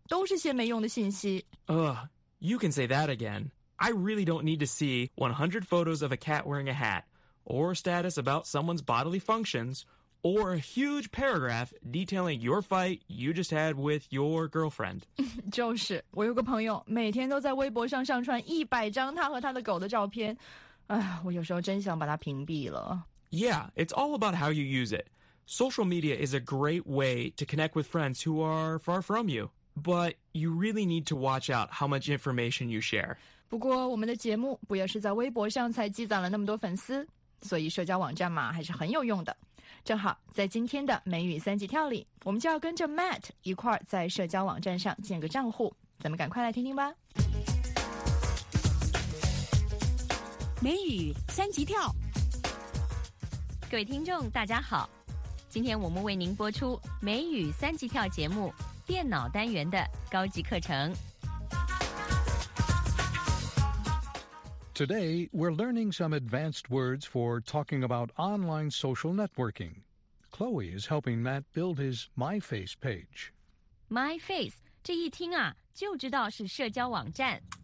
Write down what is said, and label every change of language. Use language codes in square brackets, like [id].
[zh] 都是些没用的信息。 [en] Ugh, you can say that again. I really don't need to see 100 photos of a cat wearing a hat, or status about someone's bodily functions, or a huge paragraph detailing your fight you just had with your girlfriend. [zh] 就是，我有个朋友每天都在微博上上传100张他和他的狗的照片。唉，我有时候真想把他屏蔽了。 [en] Yeah, it's all about how you use it. Social media is a great way to connect with friends who are far from you. But you really need to watch out how much information you share. [zh] 不过我们的节目不也是在微博上才积攒了那么多粉丝？所以社交网站嘛，还是很有用的。正好在今天的美语三级跳里，我们就要跟着 Matt 一块儿在社交网站上建个账户，咱们赶快来听听吧。美语三级跳，各位听众大家好，今天我们为您播出美语三级跳节目电脑单元的高级课程。 [en] Today, we're learning some advanced words for talking about online social networking. Chloe is helping Matt build his MyFace page. [zh] MyFace, 这一听啊，就知道是社交网站。